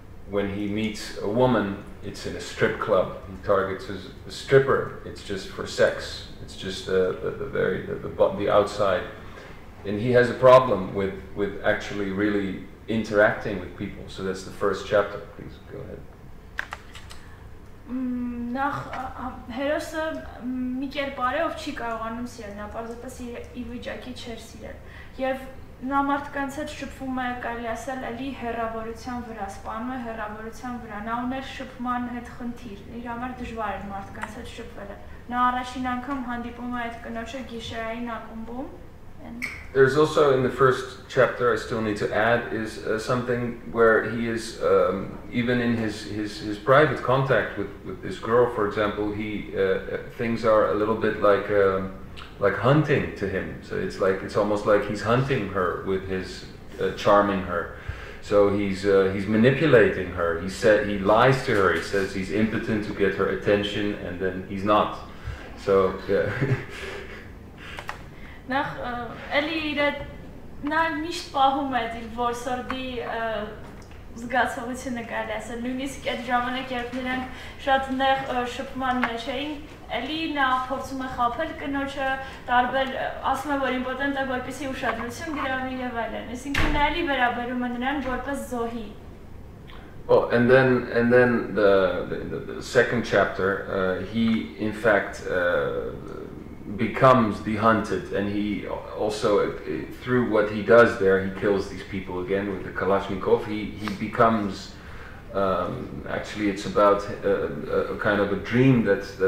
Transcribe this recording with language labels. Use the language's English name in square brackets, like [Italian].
[English] When he meets a woman, it's in a strip club. He targets a stripper. It's just for sex. It's just the outside. And he has a problem with actually really interacting with people. So that's the first chapter. Please go ahead. [Armenian] Նախ հերոսը մի կերպ արևով չի կարողանում սիրել, նա պարզապես ի վիճակի չէ սիրել։ Եվ նա մարդկանց հետ շփվում է, կարելի ասել, ելի հերավորության վրա, սպանում է հերավորության վրա, նա ուներ շփման հետ խնդիր, իր համար դժվար էր մարդկանց հետ շփվելը։ Նա առաջին անգամ հանդիպում է այդ կնոջը գիշերային ակումբում։ [English] There's also in the first chapter I still need to add is something where he is even in his private contact with this girl, for example, he things are a little bit like hunting to him. So it's like it's almost like he's hunting her with his charming her. So he's manipulating her. He lies to her. He says he's impotent to get her attention, and then he's not. So yeah. [Armenian] Նախ էլի իր նա միշտ պահում է իր որսորդի զգացողությունը, կարելի ասել, նույնիսկ այդ ժամանակ, երբ նրանք շատ նեղ շփման մեջ էին, էլի նա փորձում է խաբել կնոջը, տարբեր ասում է, որ իմպոտենտ է, որպեսզի ուշադրություն գրավի եւ այլն, այսինքն նա էլի վերաբերում է նրան որպես զոհի։ [English] Oh, and then the second chapter, he in fact becomes the hunted, and he also through what he does there, he kills these people again with the Kalashnikov. He becomes actually it's about a kind of a dream that